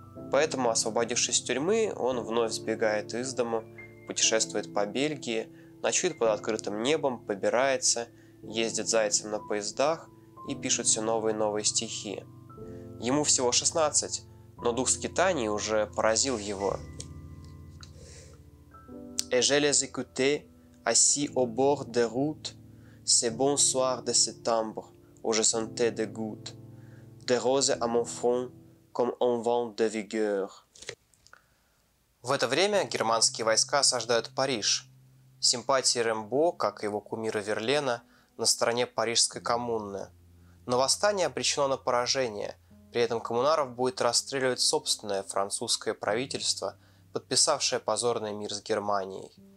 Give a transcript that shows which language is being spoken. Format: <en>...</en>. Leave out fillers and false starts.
<ru>Поэтому, освободившись из тюрьмы, он вновь сбегает из дому, путешествует по Бельгии, ночует под открытым небом, побирается, ездит зайцем на поездах и пишет все новые и новые стихи. Ему всего 16, но дух скитаний уже поразил его.</ru> <fr>«Et je les écoutais, assis au bord de route, ces bons soirs de septembre, où je sentais des gouttes, des roses à mon front, comme un vent de vigueur».</fr> <ru>В это время германские войска осаждают Париж. Симпатии Рембо, как и его кумира Верлена, на стороне парижской коммуны. Но восстание обречено на поражение. При этом коммунаров будет расстреливать собственное французское правительство, подписавшее позорный мир с Германией.</ru>